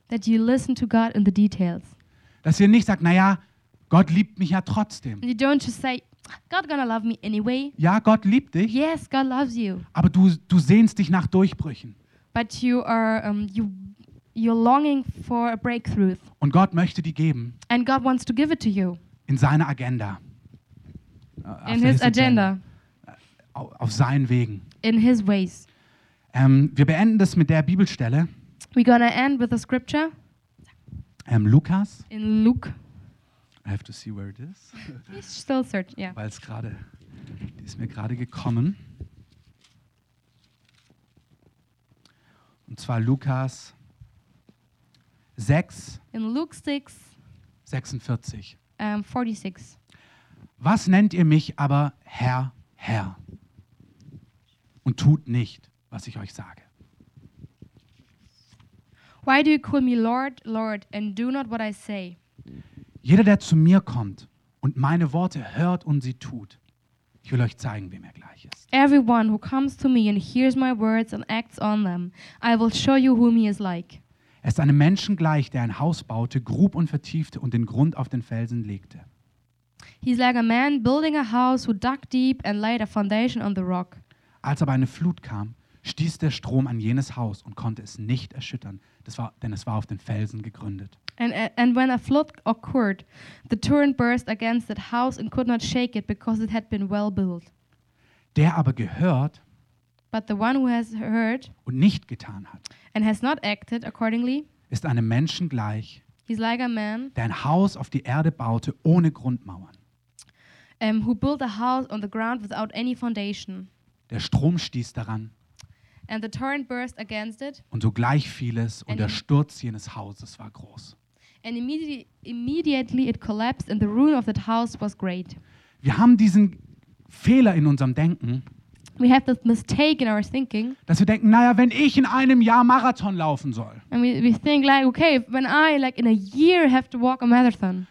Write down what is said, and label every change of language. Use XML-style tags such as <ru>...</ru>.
<en>That you listen to God in the details.</en> <de>Dass ihr nicht sagt, naja, Gott liebt mich ja trotzdem.</de> <en>You don't just say, God gonna love me anyway.</en> <de>Ja, Gott liebt dich.</de> <en>Yes, God loves you.</en> <de>Aber du sehnst dich nach Durchbrüchen.</de> <en>But you're longing for a breakthrough.</en> <de>Und Gott möchte die geben.</de> <en>And God wants to give it to you.</en> <de>In seiner Agenda.</de> <en>In his agenda.</en> <de>Auf seinen Wegen.</de> <en>In his ways.</en> <de>Wir beenden das mit der Bibelstelle.</de> <en>We're gonna end with a scripture.</en> <de>Lukas.</de> <en>In Luke. I have to see where it is. He's still searching, yeah.</en> <de>Weil es gerade, die ist mir gerade gekommen. Und zwar Lukas 6.</de> <en>In Luke 6.</en> <de>46.</de> <en>46.</en> <de>Was nennt ihr mich aber Herr, Herr? Und tut nicht, was ich euch sage.</de> <en>Why do you call me Lord, Lord, and do not what I say?</en> <de>Jeder, der zu mir kommt und meine Worte hört und sie tut, ich will euch zeigen, wem er gleich ist.</de> <en>Everyone who comes to me and hears my words and acts on them, I will show you whom he is like.</en> <de>Er ist einem Menschen gleich, der ein Haus baute, grub und vertiefte und den Grund auf den Felsen legte.</de> <en>He's like a man building a house who dug deep and laid a foundation on the rock.</en> <de>Als aber eine Flut kam, stieß der Strom an jenes Haus und konnte es nicht erschüttern, denn es war auf den Felsen gegründet.</de> <en>And when a flood occurred, the torrent burst against that house and could not shake it because it had been well built.</en> <de>Der aber gehört,</de> <en>but the one who has heard</en> <de>und nicht getan hat,</de> <en>and has not acted accordingly,</en> <de>ist einem Menschen gleich,</de> <en>he's like a man,</en> <de>der ein Haus auf die Erde baute ohne Grundmauern.</de> <en>Who built a house on the ground without any foundation.</en> <de>Der Strom stieß daran.</de> <en>And the torrent burst against it.</en> <de>Und sogleich fiel es und der Sturz jenes Hauses war groß.</de> <en>And immediately it collapsed and the ruin of that house was great.</en> <de>Wir haben diesen Fehler in unserem Denken.</de> <en>We have this mistake in our thinking.</en> <de>Dass wir denken, naja, wenn ich in einem Jahr Marathon laufen soll.</de> <en>And we think like, okay, when I like in a year have to walk a marathon.</en>